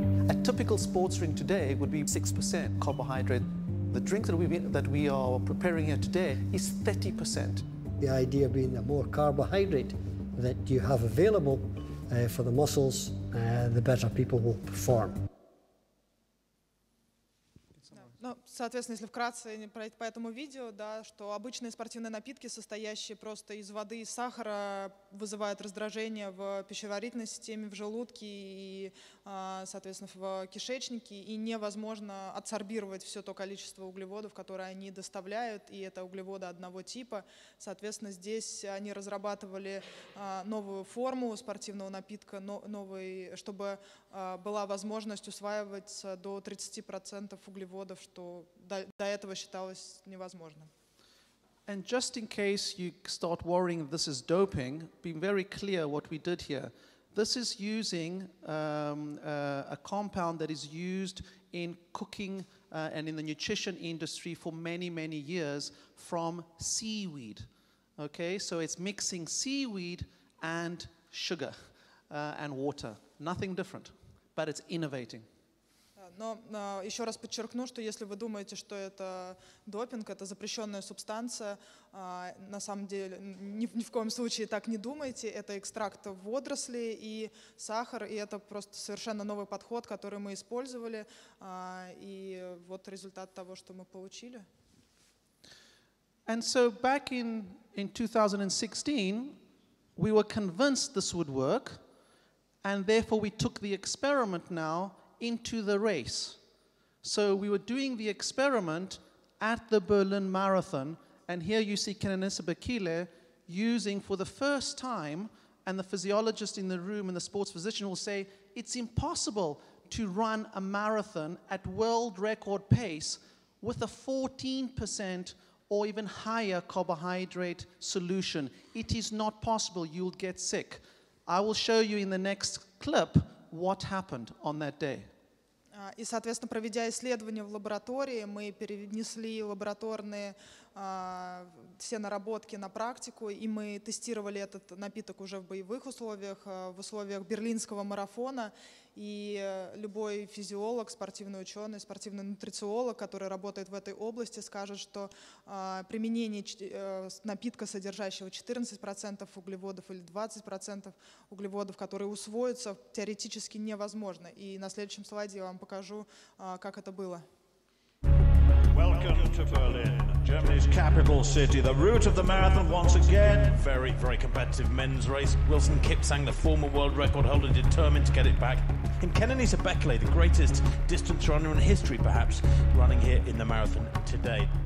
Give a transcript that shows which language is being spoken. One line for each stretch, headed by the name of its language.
English: A typical sports drink today would be 6% carbohydrate. The drink that we are preparing here today is 30%. The idea being that more carbohydrate that you have available for the muscles, the better people will perform.
Russian: Ну, соответственно, если вкратце по этому видео, да, что обычные спортивные напитки, состоящие просто из воды и сахара, вызывают раздражение в пищеварительной системе, в желудке и, соответственно, в кишечнике, и невозможно адсорбировать все то количество углеводов, которые они доставляют, и это углеводы одного типа. Соответственно, здесь они разрабатывали новую форму спортивного напитка, новый, чтобы была возможность усваивать до 30% углеводов, что до этого считалось невозможным.
English: And just in case you start worrying this is doping, be very clear what we did here. This is using a compound that is used in cooking and in the nutrition industry for many, many years from seaweed. Okay, so it's mixing seaweed and sugar and water. Nothing different, but it's innovating.
Russian: Но еще раз подчеркну, что если вы думаете, что это допинг, это запрещенная субстанция, на самом деле ни в коем случае так не думайте. Это экстракт водорослей и сахар, и это просто совершенно новый подход, который мы использовали, и вот результат того, что мы получили.
English: And so back in 2016, we were convinced this would work, and therefore we took the experiment now into the race. So we were doing the experiment at the Berlin Marathon, and here you see Kenenisa Bekele using for the first time, and the physiologist in the room and the sports physician will say, it's impossible to run a marathon at world record pace with a 14% or even higher carbohydrate solution. It is not possible, you'll get sick. I will show you in the next clip what happened on that day.
Russian: И, соответственно, проведя исследование в лаборатории, мы перенесли лабораторные все наработки на практику, и мы тестировали этот напиток уже в боевых условиях, в условиях берлинского марафона. И любой физиолог, спортивный ученый, спортивный нутрициолог, который работает в этой области, скажет, что применение напитка, содержащего 14% углеводов или 20% углеводов, которые усвоятся, теоретически невозможно. И на следующем слайде я вам покажу, как это было.
English: Welcome to Berlin, Germany's capital city, the root of the marathon once again. Very, very competitive men's race. Wilson Kipsang, the former world record holder, determined to get it back. And Kenenisa Bekele, the greatest distance runner in history, perhaps, running here in the marathon today.